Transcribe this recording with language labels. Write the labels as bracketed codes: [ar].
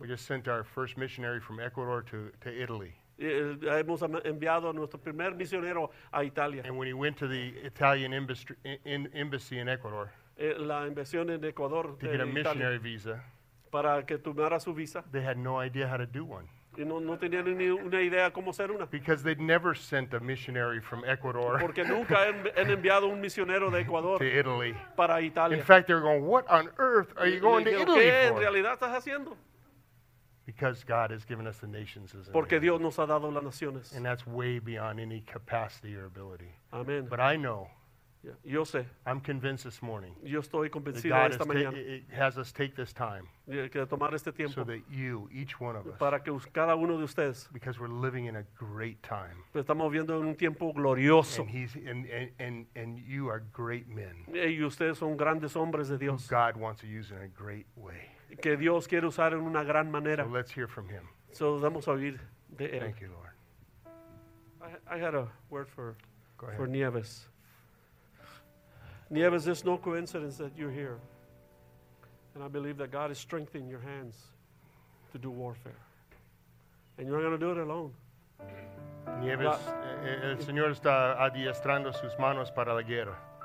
[en] We just sent our first missionary from Ecuador to Italy. [es] Hemos enviado a nuestro primer misionero a Italia. [en] And when he went to the Italian embassy in Ecuador, [es] la embajada en Ecuador, [en] to get a missionary visa, [es] para que tomara su visa, [en] they had no idea how to do one. [es] Y no tenían ni una idea cómo hacer una. [en] Because they'd never sent a missionary from Ecuador. [es] Porque nunca han enviado un misionero de Ecuador [en] to Italy. [es] Para Italia. [en] In fact, they were going, "What on earth are you going to Italy for?" [es] ¿Qué en realidad estás haciendo? [en] Because God has given us the nations as a [es] Porque Dios nos ha dado las naciones. [en] And that's way beyond any capacity or ability. Amen. But I know. [es] Yeah, yo sé. [en] I'm convinced this morning. [es] Yo estoy convencido that [en] God [es] esta [en] has us take this time. [es] Que tomar este tiempo. [en] So that you, each one of us. [es] Para que cada uno de ustedes. [en] Because we're living in a great time. [es] Estamos viviendo en un tiempo glorioso. [en] And he's and you are great men. [es] Y ustedes son grandes hombres de Dios. [en] God wants to use in a great way. [es] Que Dios quiere usar en una gran manera. [en] So let's hear from him. [es] So vamos a oír de él. [en] Thank you, Lord. I had a word for Nieves. Nieves, there's no coincidence that you're here. And I believe that God is strengthening your hands to do warfare. And you're not going to do it alone. [es] Nieves, el Señor está adiestrando sus manos para la guerra.